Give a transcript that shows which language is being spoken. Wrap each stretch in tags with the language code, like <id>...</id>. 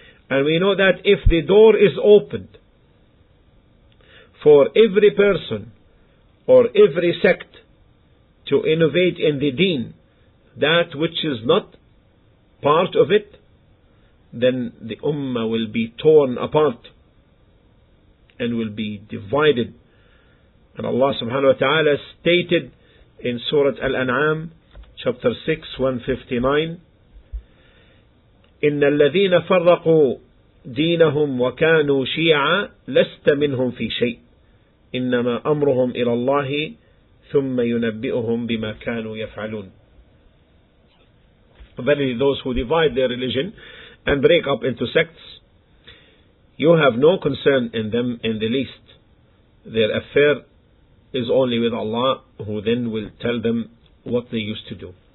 <en>And we know that if the door is opened for every person or every sect to innovate in the deen, that which is not part of it, then the ummah will be torn apart and will be divided. And Allah subhanahu wa ta'ala stated in Surah Al-An'am, chapter 6, 159,</en> <ar>إِنَّ الَّذِينَ فَرَّقُوا دِينَهُمْ وَكَانُوا شِيعًا لَسْتَ مِنْهُمْ فِي شَيْءٍ إنما أمرهم إلى الله ثم ينبئهم بما كانوا يفعلون.</ar> <en>Verily, those who divide their religion and break up into sects, you have no concern in them in the least. Their affair is only with Allah, who then will tell them what they used to do.</en>